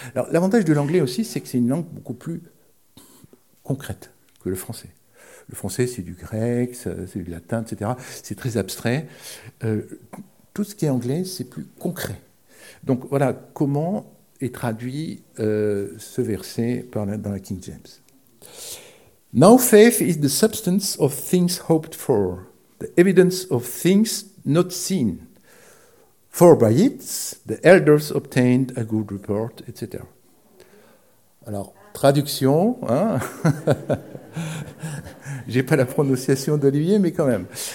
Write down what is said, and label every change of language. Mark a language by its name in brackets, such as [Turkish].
[French] Alors, l'avantage de l'anglais aussi, c'est que c'est une langue beaucoup plus concrète que le français. Le français, c'est du grec, c'est du latin, etc. C'est très abstrait. Tout ce qui est anglais, c'est plus concret. Donc voilà comment est traduit ce verset dans la King James. [English] Now faith is the substance of things hoped for, the evidence of things not seen. For by it, the elders obtained a good report, etc. [French] Alors, traduction, hein? J'ai pas la prononciation d'Olivier, mais quand même.